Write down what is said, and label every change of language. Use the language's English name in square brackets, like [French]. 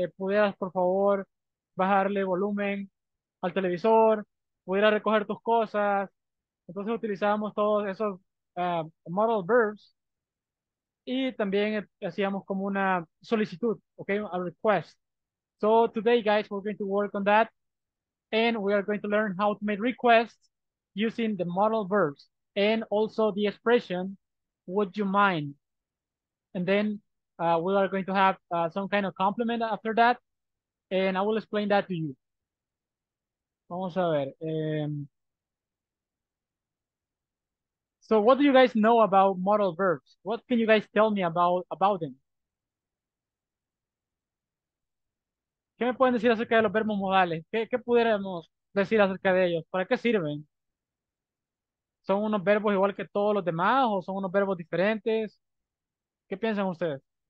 [Spanish] ¿Pudieras, por favor, bajarle volumen al televisor? ¿Pudieras recoger tus cosas? Entonces utilizábamos todos esos model verbs y también hacíamos como una solicitud, okay, [English] a request. So today, guys, we're going to work on that and we are going to learn how to make requests using the model verbs and also the expression, would you mind? And then we are going to have some kind of compliment after that, and I will explain that to you. [Spanish] Vamos a ver. [English] So what do you guys know about modal verbs? What can you guys tell me about them? [Spanish] ¿Qué me pueden decir acerca de los verbos modales? ¿Qué pudiéramos decir acerca de ellos? ¿Para qué sirven? ¿Son unos verbos igual que todos los demás o son unos verbos diferentes? ¿Qué piensan ustedes?